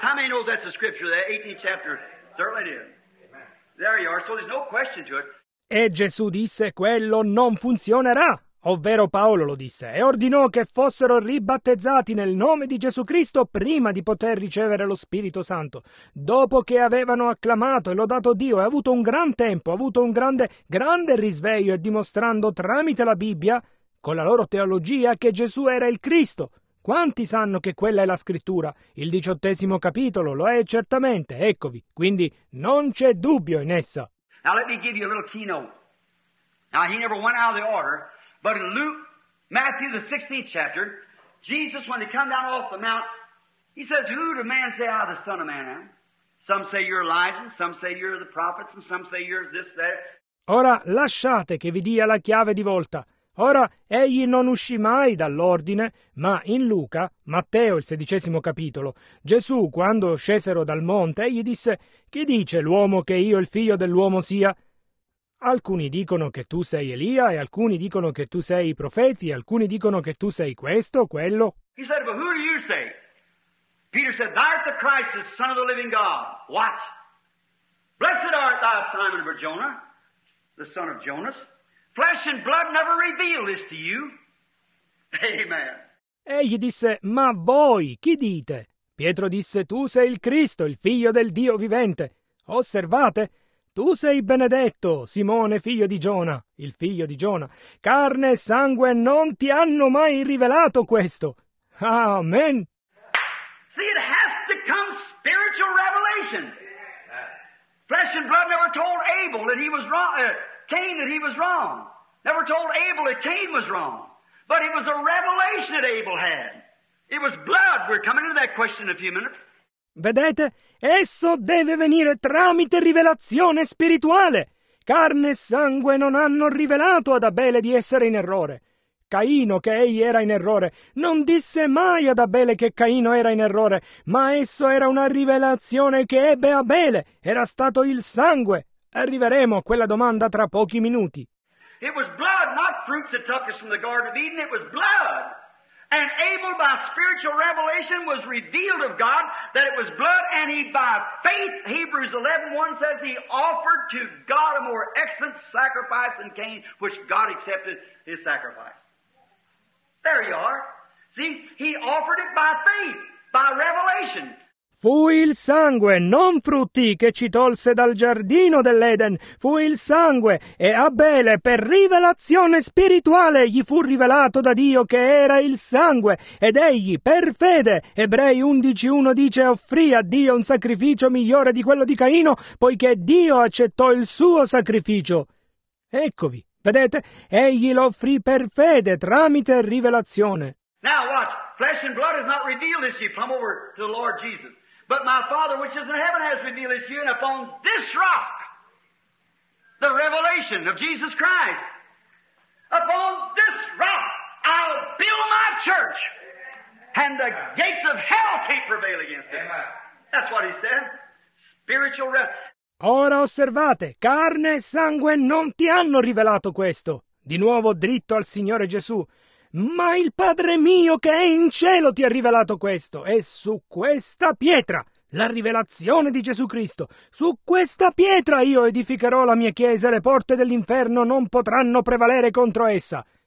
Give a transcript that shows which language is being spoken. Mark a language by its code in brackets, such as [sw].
[en] How many know that's the scripture, that 18th chapter? Certainly it is. There you are, so there's no question to it. [it] E Gesù disse, quello non funzionerà. Ovvero Paolo lo disse, e ordinò che fossero ribattezzati nel nome di Gesù Cristo prima di poter ricevere lo Spirito Santo. Dopo che avevano acclamato e lodato Dio e avuto un gran tempo, avuto un grande risveglio e dimostrando tramite la Bibbia, con la loro teologia, che Gesù era il Cristo. Quanti sanno che quella è la scrittura? Il 18° capitolo lo è certamente, eccovi. Quindi non c'è dubbio in essa. [en] Now let me give you a little keynote. Now he never went out of the order. But in Luke, Matthew, the 16th chapter, Jesus, when they come down off the mount, he says, who do man say I, the Son of Man, am? Some say you're Elijah, some say you're the prophets, and some say you're this, that. [it] Ora lasciate che vi dia la chiave di volta. Ora, egli non uscì mai dall'ordine, ma in Luca, Matteo, il 16° capitolo, Gesù, quando scesero dal monte, egli disse, chi dice l'uomo che io il figlio dell'uomo sia? Alcuni dicono che tu sei Elia, e alcuni dicono che tu sei i profeti, e alcuni dicono che tu sei questo, quello. [en] He said, but who do you say? Peter said, thou art the Christ, the Son of the living God. What? Blessed art thou, Simon Barjona, the son of Jonas. Flesh and blood never revealed this to you. Amen. [it] Egli disse, ma voi chi dite? Pietro disse, tu sei il Cristo, il figlio del Dio vivente. Osservate, tu sei benedetto, Simone, figlio di Giona, il figlio di Giona. Carne e sangue non ti hanno mai rivelato questo. Amen. [en] See, it has to come spiritual revelation. Flesh and blood never told Abel that he was wrong, Cain that he was wrong. Never told Abel that Cain was wrong. But it was a revelation that Abel had. It was blood. We're coming into that question in a few minutes. [it] Vedete, esso deve venire tramite rivelazione spirituale. Carne e sangue non hanno rivelato ad Abele di essere in errore. Caino, che egli era in errore, non disse mai ad Abele che Caino era in errore, ma esso era una rivelazione che ebbe Abele. Era stato il sangue. Arriveremo a quella domanda tra pochi minuti. [en] It was blood, not fruits that took us from the Garden of Eden. It was blood. And Abel, by spiritual revelation, was revealed of God that it was blood, and he, by faith, Hebrews 11:1 says, he offered to God a more excellent sacrifice than Cain, which God accepted his sacrifice. There you are. See, he offered it by faith, by revelation. [it] Fu il sangue, non frutti, che ci tolse dal giardino dell'Eden. Fu il sangue, e Abele, per rivelazione spirituale, gli fu rivelato da Dio che era il sangue. Ed egli, per fede, Ebrei 11:1 dice, offrì a Dio un sacrificio migliore di quello di Caino, poiché Dio accettò il suo sacrificio. Eccovi, vedete, egli lo offrì per fede, tramite rivelazione. [en] Now watch. Flesh and blood has not revealed this to you. Come over to the Lord Jesus. But my Father, which is in heaven, has revealed this to you. And upon this rock, the revelation of Jesus Christ, upon this rock, I'll build my church, and the gates of hell can't prevail against it. That's what he said. Spiritual rest. [it] Ora osservate, carne e sangue non ti hanno rivelato questo. Di nuovo dritto al Signore Gesù. Ma il Padre mio che è in cielo ti ha rivelato questo, e su questa pietra, la rivelazione di Gesù Cristo, su questa pietra io edificherò la mia chiesa e le porte dell'inferno non potranno prevalere contro essa.